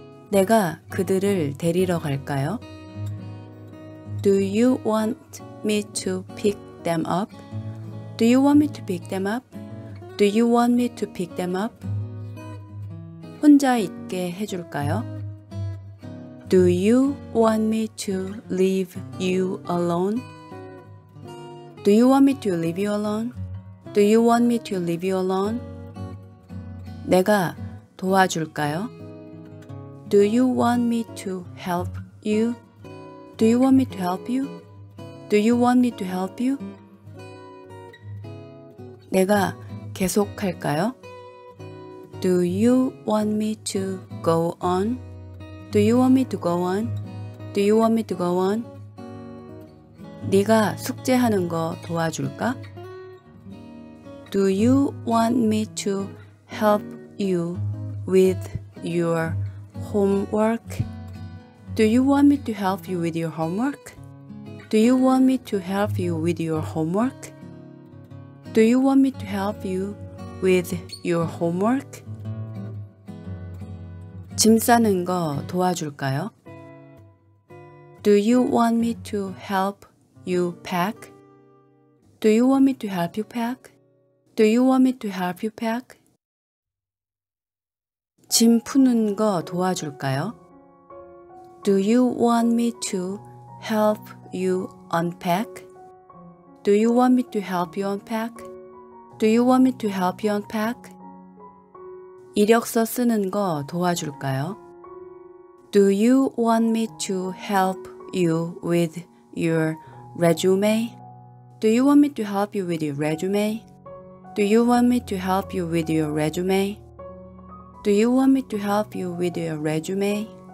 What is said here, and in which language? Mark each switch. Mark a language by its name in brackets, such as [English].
[Korean] 내가 그들을 데리러 갈까요? [English] Do you want me to pick them up? Do you want me to pick them up? Do you want me to pick them up? [Korean] 혼자 있게 해줄까요? [English] Do you want me to leave you alone? Do you want me to leave you alone? Do you want me to leave you alone? [Korean] 내가 도와줄까요? [English] Do you want me to help you? Do you want me to help you? Do you want me to help you? [Korean] 내가 계속할까요? [English] Do you want me to go on? Do you want me to go on? Do you want me to go on? [Korean] 네가 숙제하는 거 도와줄까? [English] Do you want me to help you with your homework? Do you want me to help you with your homework? Do you want me to help you with your homework? Do you want me to help you with your homework? [Korean] 짐 싸는 거 도와줄까요? [English] Do you want me to help you pack? Do you want me to help you pack? Do you want me to help you pack? [Korean] 짐 푸는 거 도와줄까요? [English] Do you want me to help you unpack? Do you want me to help you unpack? Do you want me to help you unpack? [Korean] 이력서 쓰는 거 도와줄까요? [English] Do you want me to help you with your resume? Do you want me to help you with your resume? Do you want me to help you with your resume? Do you want me to help you with your resume?